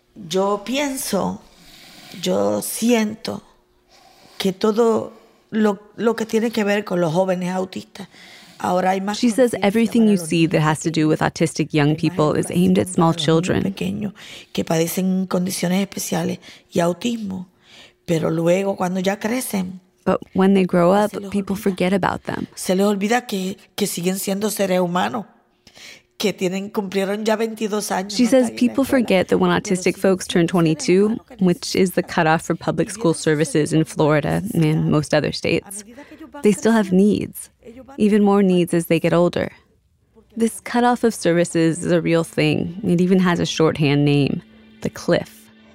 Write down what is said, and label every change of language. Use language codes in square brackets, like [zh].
[es] Yo pienso, yo siento que todo lo que tiene que ver con los jóvenes autistas. Ahora hay más. [en] She says everything you see that has to do with autistic young people is aimed at small children. [es] Pequeños que padecen condiciones especiales y autismo, pero luego cuando ya crecen. [en] But when they grow up, people forget about them. [es] Se les olvida que siguen siendo seres humanos. que tienen, cumplieron ya 22 años. [en] She says people forget that when autistic folks turn 22, which is the cutoff for public school services in Florida and most other states, they still have needs, even more needs as they get older. This cutoff of services is a real thing. It even has a shorthand name, the cliff.